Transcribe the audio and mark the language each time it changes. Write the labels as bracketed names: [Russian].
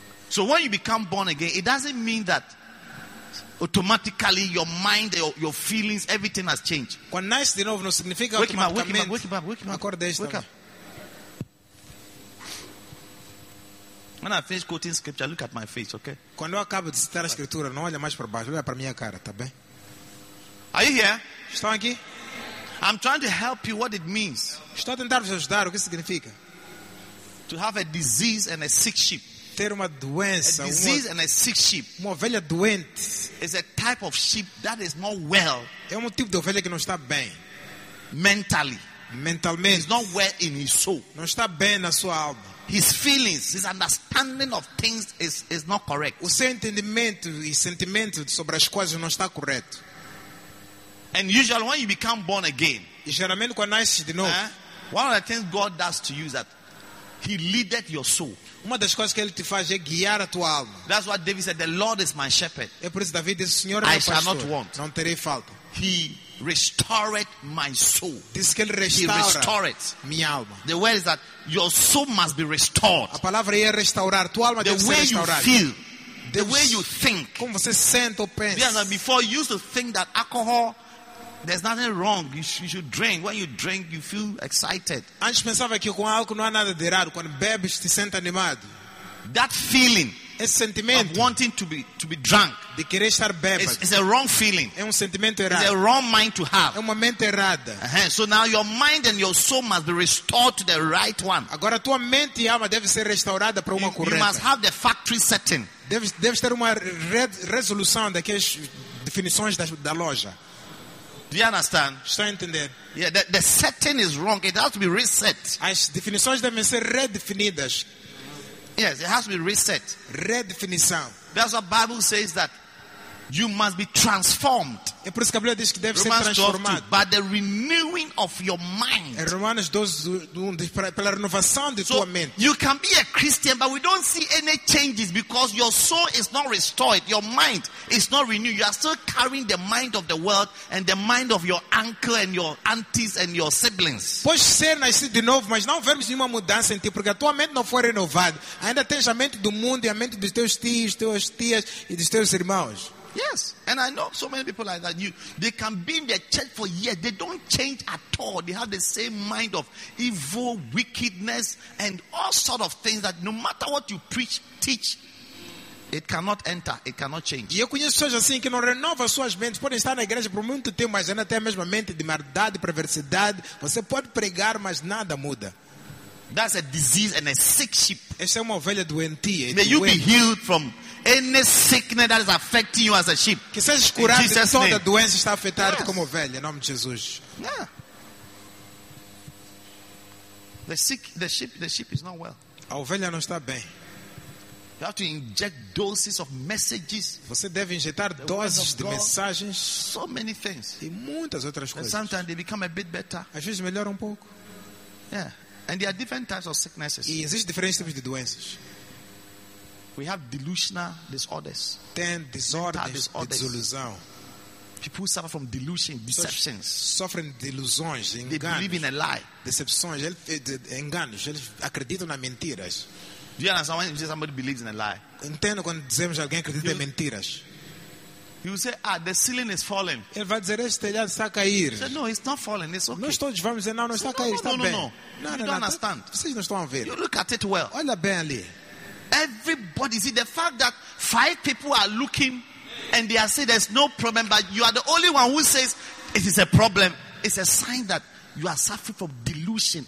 [English] So when you become born again, it doesn't mean that automatically your mind, your feelings, everything has changed. [Portuguese] Quando nasce de novo não significa automaticamente. [English] Wake up. [Portuguese] Acorda esta. [English] Wake up. When I finish quoting scripture, look at my face, okay? [Portuguese] Quando eu acabo de citar a escritura, não olha mais para baixo, olha para minha cara, tá bem? [English] Are you here? [Portuguese] Estão aqui? [English] I'm trying to help you what it means. [Portuguese] Estou a tentar vos ajudar o que significa. [English] To have a disease and a sick sheep. [Portuguese] Ter uma doença, [English] a disease and a sick sheep. [Portuguese] Uma ovelha doente. [English] Is a type of sheep that is not well. [Portuguese] É um tipo de ovelha que não está bem. [English] Mentally. [Portuguese] Mentalmente. [English] He's not well in his soul. [Portuguese] Não está bem na sua alma. [English] His feelings, his understanding of things is not correct. [Portuguese] O seu entendimento e sentimento sobre as coisas não está correto. [English] And usually when you become born again, [Portuguese] e geralmente quando nasce de novo, [English] one of the things God does to you is that he leadeth your soul. [Portuguese] Uma das coisas que ele te faz é guiar a tua alma. [English] That's what David said, the Lord is my shepherd. [Portuguese] É por isso que David disse, Senhor, [English] I shall not want. [Portuguese] Não terei falta. [English] He restored my soul. [Portuguese] Diz que ele restaura, [English] he restored [Portuguese] minha alma. [English] The word is that your soul must be restored. [Portuguese] A palavra é restaurar. Tua alma [English] the [Portuguese] deve [English] way [Portuguese] ser restaurada. [English] You feel, the way you think. [Portuguese] Como você sente ou pensa. [English] Yeah, now before you used to think that alcohol, there's nothing wrong. You should drink. When you drink, you feel excited. [Portuguese] Antes pensava que com álcool não há nada de errado. Quando bebes, te sente animado. [English] That feeling. [Portuguese] Esse sentimento [English] of wanting to be drunk, [Portuguese] de querer estar bêbado, [English] is a wrong feeling. [Portuguese] É sentimento errado. [English] It's a wrong mind to have. [Portuguese] É mente errada. Uh-huh. [English] So now your mind and your soul must be restored to the right one. [Portuguese] Agora tua mente e alma deve ser restaurada para uma correta. [English] You must have the factory setting. [Portuguese] Deve ter uma resolução daquelas definições da loja. [English] Do you understand? [Portuguese] Estou a entender. [English] Yeah, the setting is wrong. It has to be reset. [Portuguese] As definições devem ser redefinidas. [English] Yes, it has to be reset. [Portuguese] Redefinição. [English] That's what the Bible says, that you must be transformed. [Portuguese] É por isso que a Bíblia diz que deve ser transformado. [English] By the renewing of your mind. [Portuguese] É Romanos 12, pela renovação de [English] so [Portuguese] tua mente. [English] You can be a Christian, but we don't see any changes because your soul is not restored. Your mind is not renewed. You are still carrying the mind of the world and the mind of your uncle and your aunties and your siblings. [Portuguese] Pois ser nascido de novo, mas não vemos nenhuma mudança em ti, porque a tua mente não foi renovada. Ainda tens a mente do mundo e a mente dos teus tios, teus tias e dos teus irmãos. [English] Yes, and I know so many people like that. They can be in the church for years. They don't change at all. They have the same mind of evil, wickedness, and all sort of things that no matter what you preach, teach, it cannot enter. It cannot change. [Portuguese] E eu conheço pessoas assim que não renovam suas mentes. Podem estar na igreja por muito tempo, mas ainda tem a mesma mente de maldade, perversidade. Você pode pregar, mas nada muda. [English] That's a disease and a sick sheep. [Portuguese] Essa é uma ovelha doentia. [English] May you be healed from any sickness that is affecting you as a sheep. [Portuguese] Que seja curado de toda doença está afetando como ovelha, em nome de Jesus. [English] The sheep is not well. [Portuguese] A ovelha não está bem. [English] You have to inject doses of messages. [Portuguese] Você deve injetar doses de mensagens. [English] So many things. [Portuguese] E muitas outras coisas. [English] And sometimes they become a bit better. [Portuguese] Às vezes melhora um pouco. [English] Yeah. And there are different types of sicknesses. [Portuguese] E existem diferentes tipos de doenças. [English] We have delusional disorders. [Portuguese] Tem desordens de desilusão. [English] People suffer from delusion, deceptions. [Portuguese] Sofrem de ilusões, enganos. [English] They believe in a lie. [Portuguese] Decepções, enganos. Eles acreditam na mentiras. [English] Do you understand when you say somebody believes in a lie? [Portuguese] Entendo quando dizemos alguém acredita em mentiras. [English] He will say, "Ah, the ceiling is falling." [Portuguese] Ele vai dizer, este telhado está a cair. [English] He said, "No, it's not falling. It's okay." [Portuguese] Não estou a dizer, não, não está a cair, está bem. [English] No, you don't understand. [Portuguese] Vocês não estão a ver. [English] You look at it well. [Portuguese] Olha bem ali. [English] Everybody, see, the fact that five people are looking and they are saying there's no problem, but you are the only one who says it is a problem. It's a sign that you are suffering from delusion.